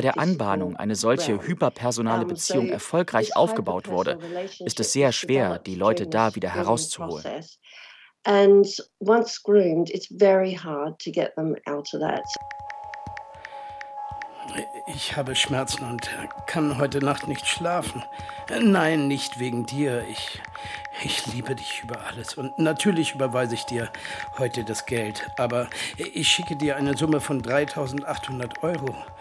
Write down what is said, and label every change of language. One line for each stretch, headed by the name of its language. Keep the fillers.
German: der Anbahnung eine solche hyperpersonale Beziehung erfolgreich aufgebaut wurde, ist es sehr schwer, die Leute da wieder herauszuholen.
English: And once groomed, it's very hard to get them out of that.
German: Ich habe Schmerzen und kann heute Nacht nicht schlafen. Nein, nicht wegen dir. Ich, ich liebe dich über alles. Und natürlich überweise ich dir heute das Geld. Aber ich schicke dir eine Summe von 3800 Euro.